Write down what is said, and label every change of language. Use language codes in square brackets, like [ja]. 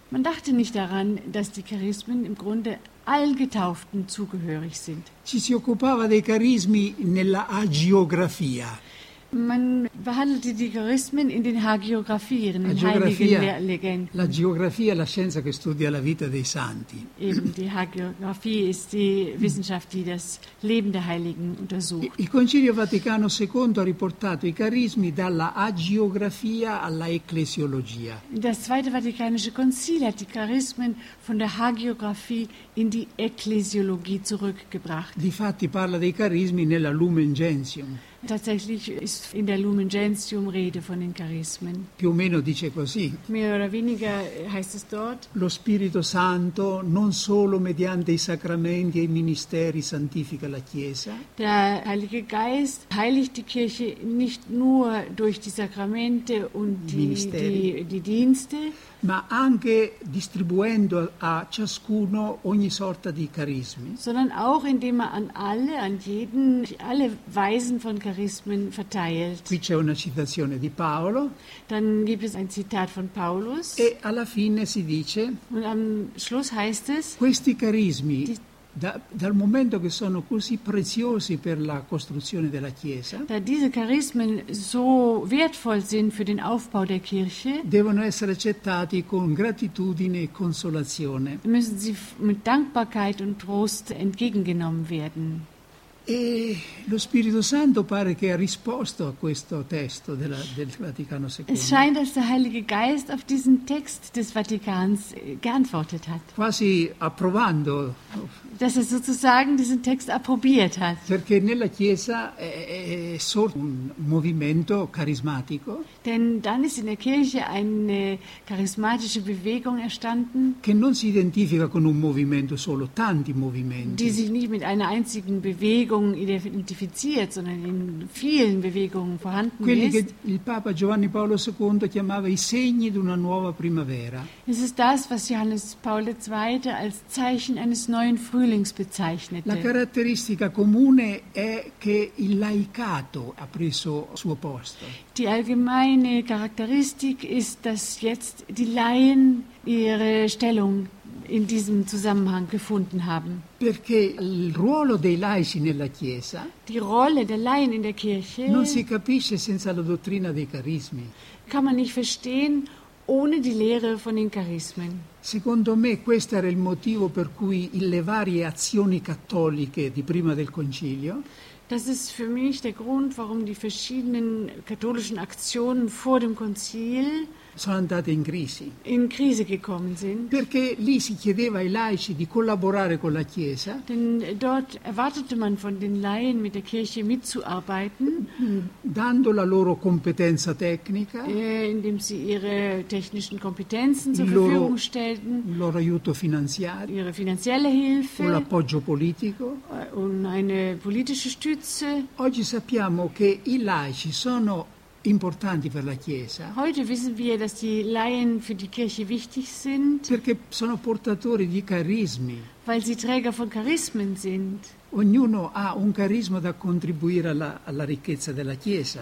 [de] Man dachte nicht daran, dass die Charismen im Grunde allen Getauften zugehörig sind. [it] Ci si occupava dei carismi nella agiografia. [de] Man behandelte die Charismen in den Hagiografien, in heiligen Legenden. [it] La geografia è la scienza che studia la vita dei santi. [de] Eben, die Hagiografie ist die Wissenschaft, die das Leben der Heiligen untersucht. [it] Il Concilio Vaticano II ha riportato i carismi dalla agiografia alla ecclesiologia. [de] Das Zweite Vatikanische Konzil hat die Charismen von der Hagiografie in die Ekklesiologie zurückgebracht. [it] Difatti parla dei carismi nella Lumen Gentium. [de] Tatsächlich ist in der Lumen Gentium Rede von den Charismen. [it] Più o meno dice così. [de] Mehr oder weniger heißt es dort. [it] Lo Spirito Santo non solo mediante i sacramenti e i ministeri santifica la Chiesa. [de] Der Heilige Geist heiligt die Kirche nicht nur durch die Sakramente und die Dienste, [it] ma anche distribuendo a ciascuno ogni sorta di carismi. [de] Sondern auch indem er an jeden alle Weisen von Charismen verteilt. [it] Qui c'è una citazione di Paolo. [de] Dann gibt es ein Zitat von Paulus. [it] E alla fine si dice. [de] Und am Schluss heißt es. [it] Questi carismi dal momento che sono così preziosi per la costruzione della Chiesa. [de] Da diese Charismen so wertvoll sind für den Aufbau der Kirche. [it] Devono essere accettati con gratitudine e consolazione. [de] Müssen sie mit Dankbarkeit und Trost entgegengenommen werden. [it] E lo Spirito Santo pare che ha risposto a questo testo del Vaticano II. [de] Es scheint, dass der Heilige Geist auf diesen Text des Vatikans geantwortet hat. [it] Quasi approvando. [de] Dass er sozusagen diesen Text approbiert hat. [it] Perché nella Chiesa è sorto un movimento carismatico. [de] Denn dann ist in der Kirche eine charismatische Bewegung entstanden. [it] Che non si identifica con un movimento solo, tanti movimenti. [de] Die sich nicht mit einer einzigen Bewegung identifiziert, sondern in vielen Bewegungen vorhanden [it] quelli [de] ist. [it] Quelli che il Papa Giovanni Paolo II chiamava i segni di una nuova primavera. [de] Es ist das, was Johannes Paul II. Als Zeichen eines neuen Frühlings bezeichnete. [it] La caratteristica comune è che il laicato ha preso suo posto. [de] Die allgemeine Charakteristik ist, dass jetzt die Laien ihre Stellung in diesem Zusammenhang gefunden haben. [it] Perché il ruolo dei laici nella Chiesa. [de] Die Rolle der Laien in der Kirche. [it] Non si capisce senza la dottrina dei carismi. [de] Kann man nicht verstehen ohne die Lehre von den Charismen. [it] Secondo me questo era il motivo per cui le varie azioni cattoliche di prima del Concilio. [de] Das ist für mich der Grund, warum die verschiedenen katholischen Aktionen vor dem Konzil [it] sono andate in crisi. In crisi [de] gekommen sind. [it] Perché lì si chiedeva ai laici di collaborare con la Chiesa. [de] Denn dort erwartete man von den Laien mit der Kirche mitzuarbeiten. [it] Dando la loro competenza tecnica. [de] Indem sie ihre technischen Kompetenzen zur Verfügung stellten. [it] Il loro aiuto finanziario. [de] Ihre finanzielle Hilfe. [it] Un appoggio politico. [de] Und eine politische Stütze. [it] Oggi sappiamo che i laici sono importanti per la Chiesa. [de] Heute wissen wir, dass die Laien für die Kirche wichtig sind. [it] Perché sono portatori di carismi. [de] Weil sie Träger von Charismen sind. [it] Ognuno ha un carisma da contribuire alla ricchezza della Chiesa.